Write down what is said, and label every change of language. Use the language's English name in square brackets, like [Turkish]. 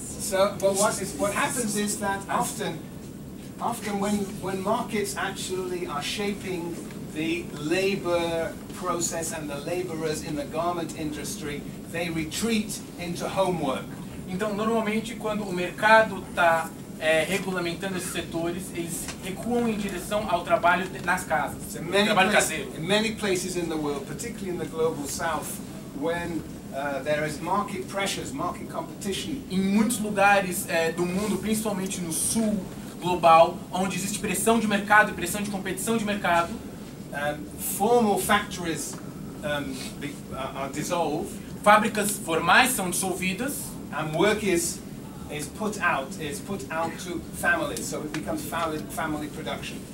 [English] So, but what happens is that often when markets actually are shaping the labor process and the laborers in the garment industry, they retreat into homework. [Portuguese] Então, normalmente, quando o mercado está regulamentando esses setores, eles recuam em direção ao trabalho nas casas, so trabalho caseiro. [English] In many places in the world, particularly in the global south, when there is market pressures, market competition. [Portuguese] Em muitos lugares do mundo, principalmente no sul global, onde existe pressão de mercado e pressão de competição de mercado, [English] formal factories are dissolved. [Portuguese] Fábricas formais são dissolvidas. [English] And work is put out to families, so it becomes family production.